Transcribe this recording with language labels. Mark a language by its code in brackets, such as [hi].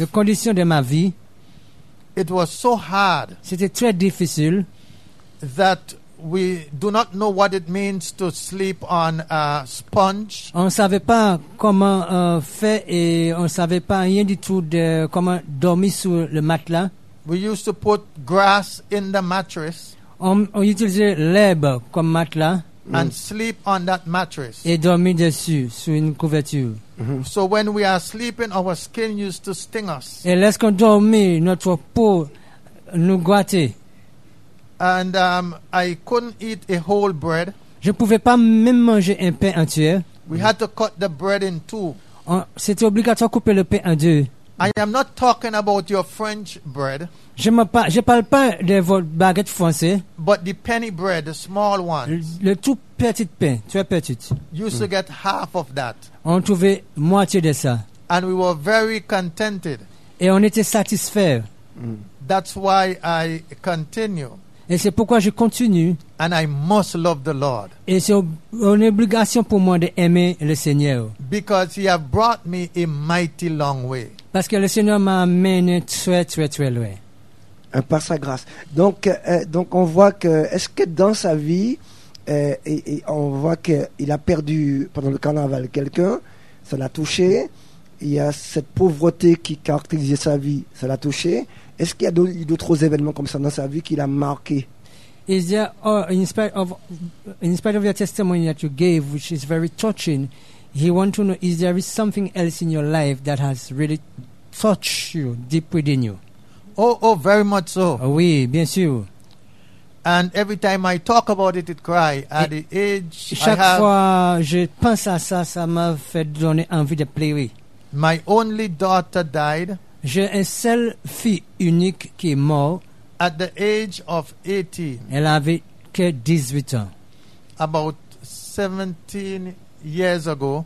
[fr] le condition de ma vie, [en] it was so hard, [fr] c'était très difficile, [en] that we do not know what it means to sleep on a sponge. [fr] On savait pas comment faire et on savait pas rien du tout de comment dormir sur le matelas. [en] We used to put grass in the mattress. [fr] On utilisait l'herbe comme matelas. [en] And sleep on that mattress. [fr] Et dormir dessus sur une couverture. [en] So when we are sleeping, our skin used to sting us. [fr] Et lorsqu'on dormait, notre peau nous gouattait. [en] And I couldn't eat a whole bread. [fr] Je pouvais pas même manger un pain entier. [en] We had to cut the bread in two. [fr] C'était obligatoire de couper le pain en deux. [en] I am not talking about your French bread. [fr] Je parle pas de votre baguette française. [en] But the penny bread, the small ones. [fr] Le tout petit pain, très petit. [en] Used to get half of that. [fr] On trouvait moitié de ça. [en] And we were very contented. [fr] Et on était satisfait. [en] That's why I continue. [fr] Et c'est pourquoi je continue. [en] And I must love the Lord. [fr] Et c'est une obligation pour moi d'aimer le Seigneur. [en] Because he has brought me a mighty long way. [fr] Parce que le Seigneur m'a amené très, très, très loin. Un par sa grâce. Donc on voit que, est-ce que dans sa vie, et on voit qu'il a perdu pendant le carnaval quelqu'un, ça l'a touché. Il y a cette pauvreté qui caractérisait sa vie, ça l'a touché. Est-ce qu'il y a d'autres événements comme ça dans sa vie qui l'a marqué? [en] Is there, in spite of your testimony that you gave, which is very touching, he wants to know, is there something else in your life that has really touched you, deep within you? Oh, very much so. [fr] Oui, bien sûr. [en] And every time I talk about it, it cries. At the age [fr] chaque [en] I have, [fr] fois je pense à ça, ça m'a fait donner envie de pleurer. [en] My only daughter died. [fr] J'ai une seule fille unique qui est morte. [en] At the age of 18. [fr] Elle avait que 18 ans. [en] About 17 years ago.